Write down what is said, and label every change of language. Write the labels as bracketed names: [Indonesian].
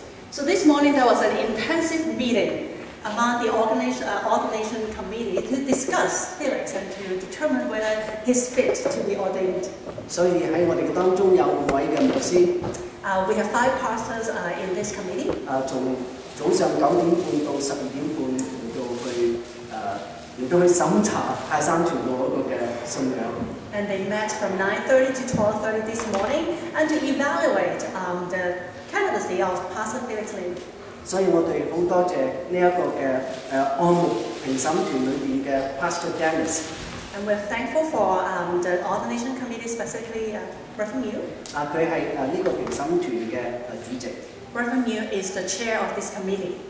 [English] So this morning there was an intensive meeting among the ordination committee to discuss Felix and to determine whether he's fit to be ordained. [Cantonese] 所以喺我哋當中有五位嘅牧師。 [English] We have five pastors in this committee. [Cantonese] 從早上九點半到十二點半，嚟到去審查泰山團嗰個嘅信仰。 [English] And they met from 9:30 to 12:30 this morning and to evaluate the candidacy of Pastor Felix Lim. [Cantonese] 所以我哋好多謝呢一個嘅按摩評審團裏邊嘅 Pastor Dennis. [English] And we're thankful for the ordination committee, specifically Reverend Mew. [Cantonese] 佢係呢個評審團嘅主席。 [English] Reverend Mew is the chair of this committee.